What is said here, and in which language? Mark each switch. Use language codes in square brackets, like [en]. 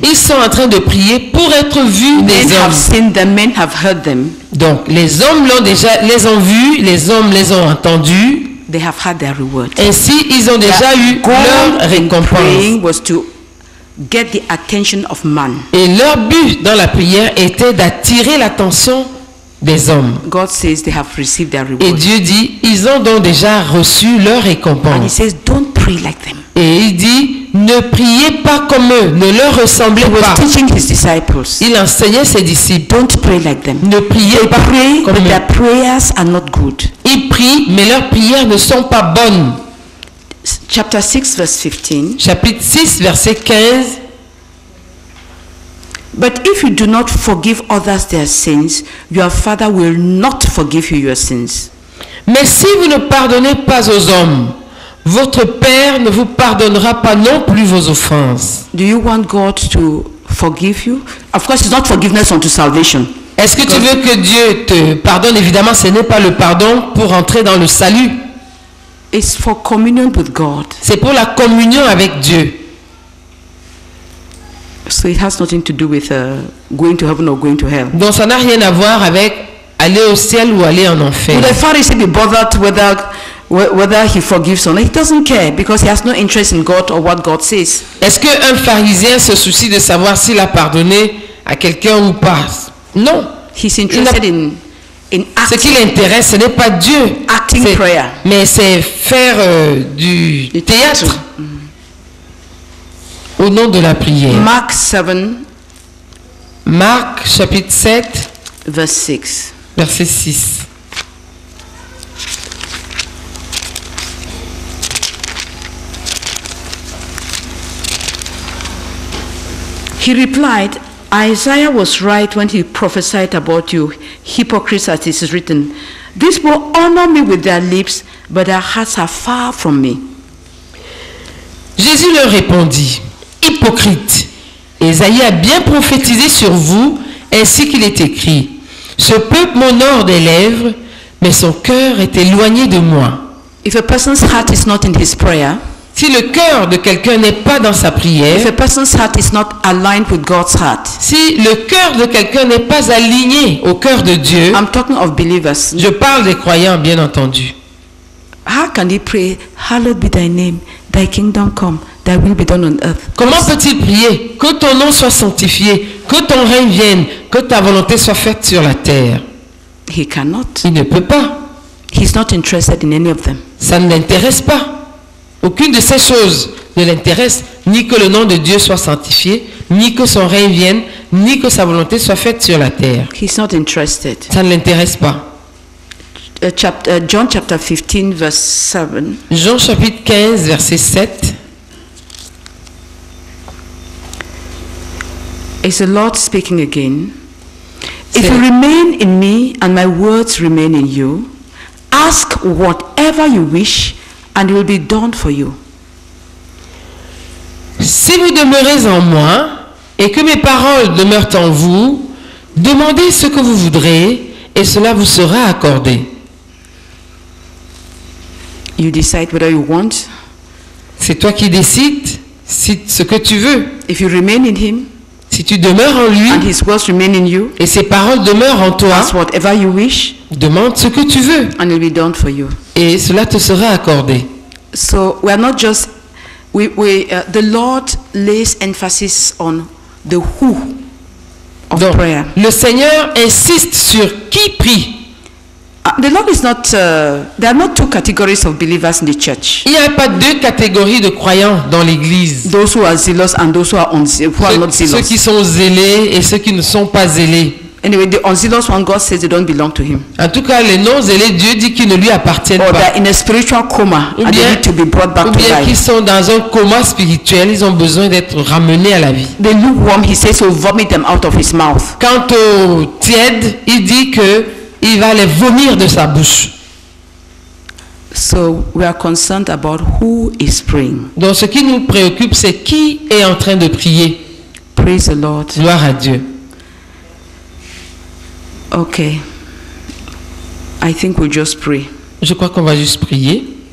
[fr] Ils sont en train de prier pour être vus [en] men [fr] des hommes. [en] Have seen them, men have heard them. [fr] Donc, les hommes l'ont déjà, les ont vus, les hommes les ont entendus. [en] They have had their reward. [fr] Ainsi, ils ont déjà eu leur récompense. [en] Praying was to get the attention of man. [fr] Et leur but dans la prière était d'attirer l'attention des hommes. [en] God says they have received their reward. [fr] Et Dieu dit, ils ont donc déjà reçu leur récompense. [en] And he says, don't pray like them. [fr] Et il dit, ne priez pas comme eux, ne leur ressemblez [en] he was [fr] pas. [en] Teaching his disciples. [fr] Il enseignait ses disciples. [en] Don't pray like them. [fr] Ne priez [en] they [fr] pas [en] pray, [fr] comme [en] but [fr] eux. [en] Their prayers are not good. [fr] Ils prient, mais leurs prières ne sont pas bonnes. [en] Chapter 6, verse 15. [fr] Chapitre 6, verset 15. [en] But if you do not forgive others their sins, your Father will not forgive you your sins. [fr] Mais si vous ne pardonnez pas aux hommes, votre Père ne vous pardonnera pas non plus vos offenses. [en] Do you want God to forgive you? Of course, it's not forgiveness unto salvation. [fr] Est-ce que tu veux que Dieu te pardonne? Évidemment, ce n'est pas le pardon pour entrer dans le salut. [en] It's for communion with God. [fr] C'est pour la communion avec Dieu. [en] So it has nothing to do with going to heaven or going to hell. [fr] Donc ça n'a rien à voir avec aller au ciel ou aller en enfer. [en] Would the Pharisee be bothered whether he forgives or not? He doesn't care because he has no interest in God or what God says. [fr] Est-ce que un pharisien se soucie de savoir s'il a pardonné à quelqu'un ou pas? Non. [en] He's interested in acting. [fr] Ce qui l'intéresse, ce n'est pas Dieu. [en] Acting [fr] c'est, [en] prayer. [fr] Mais c'est faire du théâtre. Au nom de la prière. [en] Mark 7. [fr] Mark chapitre 7. [en] Verse 6. [fr] Verset 6. [en] He replied, Isaiah was right when he prophesied about you, hypocrites, as it is written. These will honor me with their lips, but their hearts are far from me. [fr] Jésus leur répondit, hypocrites, Isaïe a bien prophétisé sur vous, ainsi qu'il est écrit. Ce peuple m'honore des lèvres, mais son cœur est éloigné de moi. [en] If a person's heart is not in his prayer, [fr] si le cœur de quelqu'un n'est pas dans sa prière, [en] if a person's heart is not aligned with God's heart, [fr] si le cœur de quelqu'un n'est pas aligné au cœur de Dieu, [en] I'm talking of believers. [fr] Je parle des croyants, bien entendu. [en] How can he pray, hallowed be thy name, thy kingdom come, thy will be done on earth? [fr] Comment peut-il prier, que ton nom soit sanctifié, que ton règne vienne, que ta volonté soit faite sur la terre? [en] He cannot. [fr] Il ne peut pas. [en] He's not interested in any of them. [fr] Ça ne l'intéresse pas. Aucune de ces choses. ne l'intéresse ni que le nom de Dieu soit sanctifié, ni que son règne vienne, ni que sa volonté soit faite sur la terre. [en] He's not interested. [fr] Ça ne l'intéresse pas. [en] John chapter 15 verse 7. [fr] Jean chapitre 15 verset 7. [en] Is the Lord speaking again? If you remain in me and my words remain in you, ask whatever you wish and it will be done for you. [fr] Si vous demeurez en moi et que mes paroles demeurent en vous, demandez ce que vous voudrez et cela vous sera accordé. [en] You decide whether you want. [fr] C'est toi qui décides si ce que tu veux. [en] If you remain in him, [fr] si tu demeures en lui, [en] and his words remain in you, [fr] et ses paroles demeurent en toi, [en] ask whatever you wish, [fr] demande ce que tu veux, [en] and it'll be done for you. [fr] Et cela te sera accordé. [en] So we are not just the Lord lays emphasis on the who of [fr] Donc, [en] prayer. [fr] Le Seigneur insiste sur qui prie. [en] The Lord is not. There are not two categories of believers in the church. [fr] Il n'y a pas deux catégories de croyants dans l'église. [en] Those who are zealous and those who are not zealous. [fr] Ceux qui sont zélés et ceux qui ne sont pas zélés. [en] Anyway, the unzealous one, God says they don't belong to Him. [fr] En tout cas, les non zélés, Dieu dit qu'ils ne lui appartiennent [en] or [fr] pas. [en] Or they're in a spiritual coma and they need to be brought back to life. [fr] Ou bien qu'ils sont dans un coma spirituel, ils ont besoin d'être ramenés à la vie. [en] The lukewarm, He says, will vomit them out of His mouth. [fr] Quant au tiède, il dit que il va les vomir de sa bouche. [en] So we are concerned about who is praying. [fr] Donc ce qui nous préoccupe, c'est qui est en train de prier. [en] Praise the Lord. [fr] Gloire à Dieu. [en] Okay. I think we'll just pray. [fr] Je crois qu'on va juste prier.